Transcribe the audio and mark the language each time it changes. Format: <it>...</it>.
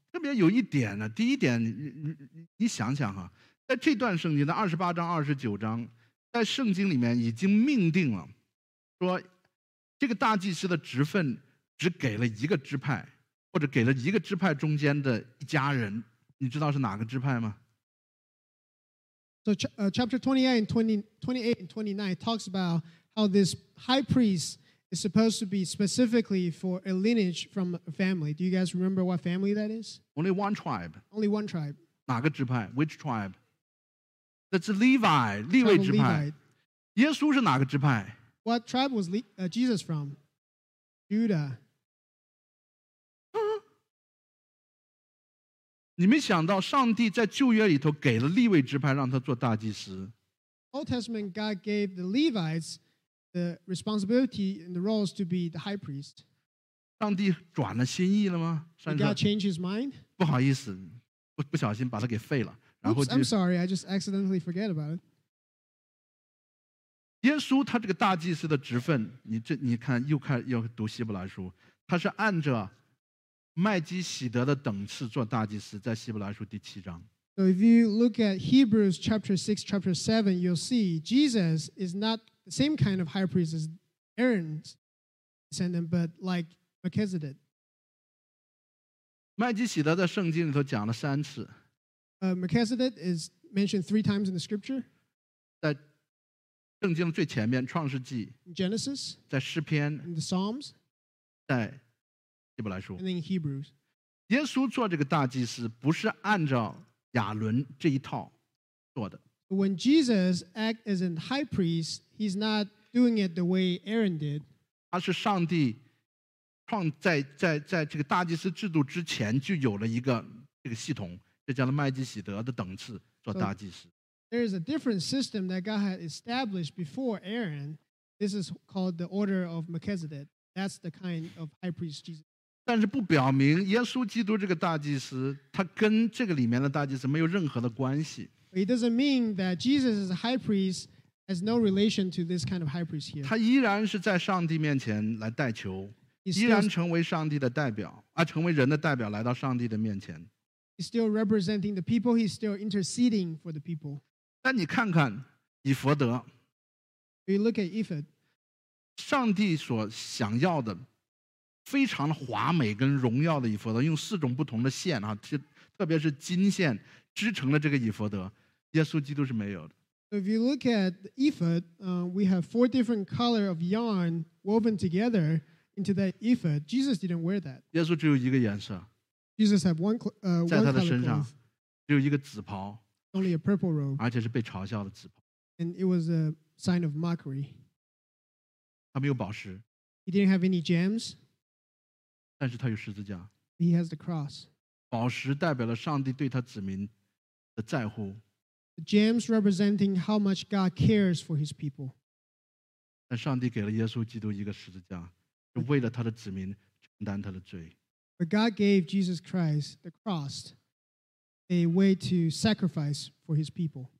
<zh>特别有一点呢，第一点，你想想哈，在这段圣经的二十八章、二十九章，在圣经里面已经命定了，说这个大祭司的职分只给了一个支派。或者给了一个支派中间的一家人，你知道是哪个支派吗？</zh> <en>So chapter 28 and 29 talks about how this high priest is supposed to be specifically for a lineage from a family. Do you guys remember what family that is? Only one tribe. Only one tribe.</en> <zh>哪个支派？</zh> <en>Which tribe? That's Levi,</en> <zh>利未支派。耶稣是哪个支派？</zh> <en>What tribe was Jesus from? Judah.</en> <zh>你们想到上帝在旧约里头给了利未支派让他做大祭司</zh> <en>Old Testament God gave the Levites the responsibility and the roles to be the high priest.</en> <zh>上帝转了心意了吗</zh> <en>Did God change his mind?</en> <zh>不好意思 不小心把他给废了然后</zh> <en>Oops, I'm sorry, I just accidentally forget about it.</en> <zh>耶稣他这个大祭司的职分 你看又开始要读希伯来书他是按着麦基洗德的等次做大祭司在希伯来书第七章</zh> <en>So if you look at Hebrews chapter 6, chapter 7 you'll see Jesus is not the same kind of high priest as Aaron's descendant but like Melchizedek</en> <zh>麦基洗德在圣经里头讲了三次</zh> <en>Melchizedek is mentioned three times in the scripture</en> <zh>在圣经最前面创世纪</zh> <en>Genesis</en> <zh>在诗篇</zh> <en>in the Psalms</en> <zh>在希伯来书</zh> <en>And in Hebrews.</en> <zh>耶稣做这个大祭司不是按照亚伦这一套做的</zh> <en>When Jesus acts as a high priest he's not doing it the way Aaron did</en> <zh>他是上帝创 在这个大祭司制度之前就有了一个这个系统这叫做麦基洗德的等次做大祭司</zh> <en>so, There is a different system that God had established before Aaron This is called the order of Melchizedek That's the kind of high priest Jesus</en> <zh>但是不表明耶稣基督这个大祭司他跟这个里面的大祭司没有任何的关系</zh> <en>It doesn't mean that Jesus is a high priest has no relation to this kind of high priest here</en> <zh>他依然是在上帝面前来代求</zh> <en>still,</en> <zh>依然成为上帝的代表、啊、成为人的代表来到上帝的面前</zh> <en>He's still representing the people He's still interceding for the people</en> <zh>但你看看以弗德</zh> <en>You look at Ephod</en> <zh>上帝所想要的非常华美跟荣耀的以弗德用四种不同的线、啊、特别是金线织成了这个以弗德耶稣基督是没有的。</zh> <en>If you look at the ephod, we have four different colors of yarn woven together into that ephod. Jesus didn't wear that.</en> <zh>耶稣只有一个颜色。</zh> <en>Jesus had one color.</en> <zh>在他的身上只有一个紫袍。</zh> <en>Only a purple robe.</en> <zh>而且是被嘲笑的紫袍。</zh> <en>And it was a sign of mockery.</en> <zh>他没有宝石。</zh> <en>He didn't have any gems.</en> <zh>但是他有十字架。</zh> <en>He has the cross.</en> <zh>宝石代表了上帝对他子民的在乎。</zh> <en>The gems representing how much God cares for his people.</en> <zh>但上帝给了耶稣基督一个十字架，就为了他的子民承担他的罪。</zh> <en>But God gave Jesus Christ the cross, a way to sacrifice for his people.</en>